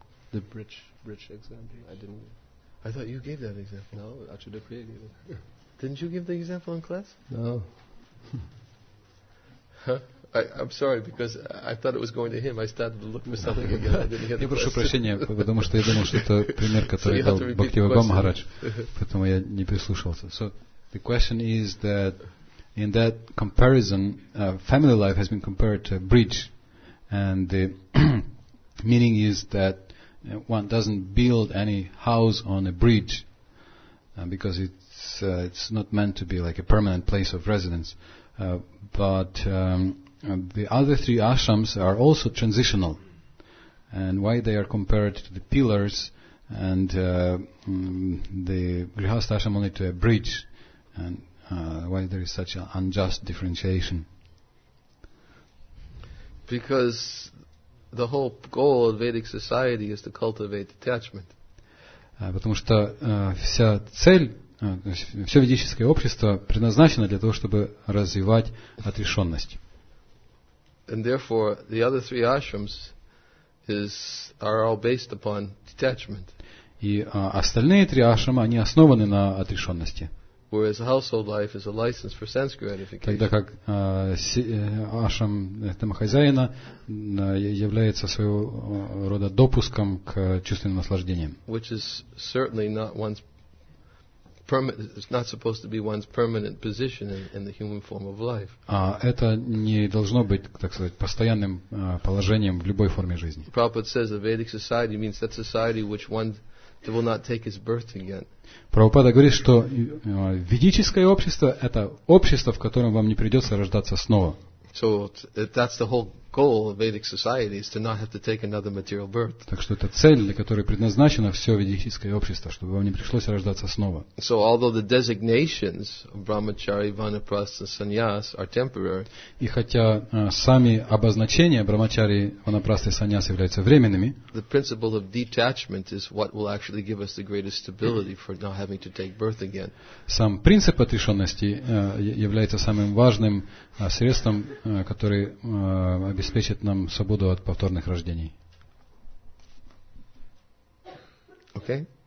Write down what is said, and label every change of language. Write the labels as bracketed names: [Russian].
[English] The bridge example. I thought you gave that example. No, that should have been. Didn't you give the example in class? No. I'm sorry, because I thought it was going to him. I started to look for something again. I didn't hear the question. [Russian] Я прошу прощения, потому что я думал, что это пример, который дал Бхакти Баба Махарадж. Поэтому я не прислушался. [English] So, the question is that in that comparison, family life has been compared to a bridge, and the meaning is that one doesn't build any house on a bridge because it's not meant to be like a permanent place of residence. But the other three ashrams are also transitional, and why they are compared to the pillars and the Grihastha ashram only to a bridge. And why there is such an unjust differentiation? Because the whole goal of Vedic society is to cultivate detachment. [Russian] Потому что вся цель, все ведическое общество предназначено для того, чтобы развивать отрешенность. [English] And therefore, the other three ashrams are all based upon detachment. [Russian] И остальные три ашрама, они основаны на отрешенности. [English] Whereas household life is a license for sense gratification. [Russian] Тогда как ашрам домохозяина является своего рода допуском к чувственным наслаждениям. [English] Which is certainly not one's it's not supposed to be one's permanent position in the human form of life. [Russian] А это не должно быть, так сказать, постоянным положением в любой форме жизни. [English] Prabhupada says the Vedic society means that society which one that will not take his birth again. [Russian] Прабхупада говорит, что ведическое общество – это общество, в котором вам не придется рождаться снова. [English] So that's the whole goal of Vedic society, is to not have to take another material birth. [Russian] Так что это цель, для которой предназначено все ведическое общество, чтобы вам не пришлось рождаться снова. [English] So although the designations of brahmachari, vanaprastha, sannyas are temporary. [Russian] И хотя сами обозначения брахмачари, ванапрасты, саньяс являются временными. [English] The principle of detachment is what will actually give us the greatest stability for not having to take birth again. [Russian] Сам принцип отрешенности является самым важным средством, который обеспечит нам свободу от повторных рождений. [English] Okay.